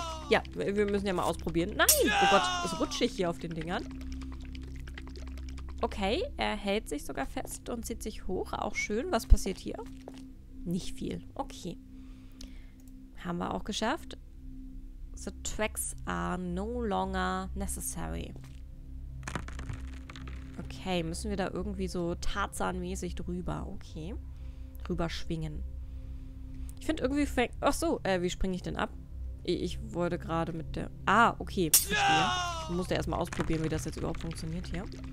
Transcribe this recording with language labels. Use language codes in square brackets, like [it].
[de] Ja, wir müssen ja mal ausprobieren. Nein! Oh Gott, es rutscht hier auf den Dingern. Okay, er hält sich sogar fest und zieht sich hoch. Auch schön. Was passiert hier? Nicht viel. Okay. Haben wir auch geschafft. [en] The tracks are no longer necessary. [de] Okay, müssen wir da irgendwie so Tarzan-mäßig drüber. Okay. Drüber schwingen. Ich finde irgendwie... wie springe ich denn ab? Ich wollte gerade mit der... Ah, okay. Ich musste erstmal ausprobieren, wie das jetzt überhaupt funktioniert hier.